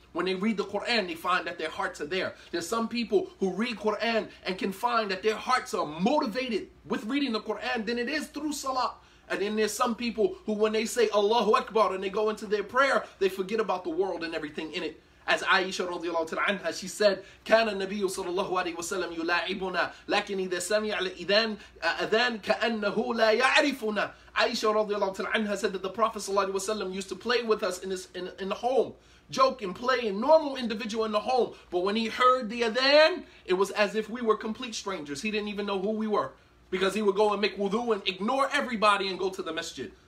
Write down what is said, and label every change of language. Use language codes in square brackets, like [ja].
[en] When they read the Quran, they find that their hearts are there. There's some people who read Quran and can find that their hearts are motivated with reading the Quran than it is through salah. And then there's some people who, when they say Allahu Akbar and they go into their prayer, they forget about the world and everything in it. As Aisha radiallahu ta'ala anha, she said, [ar] كان النبي صلى الله عليه وسلم يلاعبنا لكن إذا سمع الأذان كأنه لا يعرفنا. [en] Aisha radiallahu ta'ala anha said that the Prophet sallallahu alaihi wasallam used to play with us in the home. Joke and play and normal individual in the home. But when he heard the adhan, it was as if we were complete strangers. He didn't even know who we were. Because he would go and make wudu and ignore everybody and go to the masjid.